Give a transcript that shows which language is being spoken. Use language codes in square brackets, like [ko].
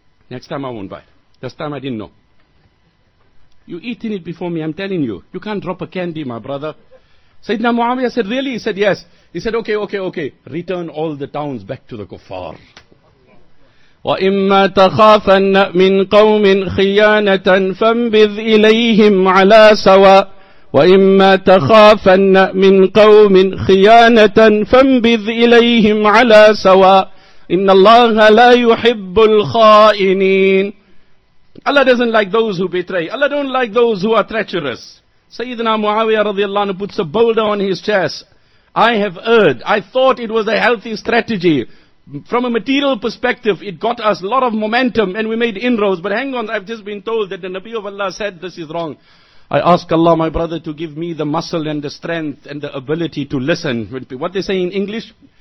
[en] Next time I won't buy. This time I didn't know. You eating it before me, I'm telling you. You can't drop a candy, my brother. Sayyidina Muawiyah said, really? He said, yes. He said, okay. Return all the towns back to the kuffar. [ar] وإما تخافن من قوم خيانة فانبذ إليهم على سواء وإما تخافن من قوم خيانة فانبذ إليهم على سواء إن الله لا يحب الخائنين. [en] Allah doesn't like those who betray. Allah don't like those who are treacherous. Sayyidina Muawiyah radiallahu anhu puts a boulder on his chest. I have erred. I thought it was a healthy strategy. From a material perspective, it got us a lot of momentum and we made inroads. But hang on, I've just been told that the Nabi of Allah said this is wrong. I ask Allah, my brother, to give me the muscle and the strength and the ability to listen. What they say in English?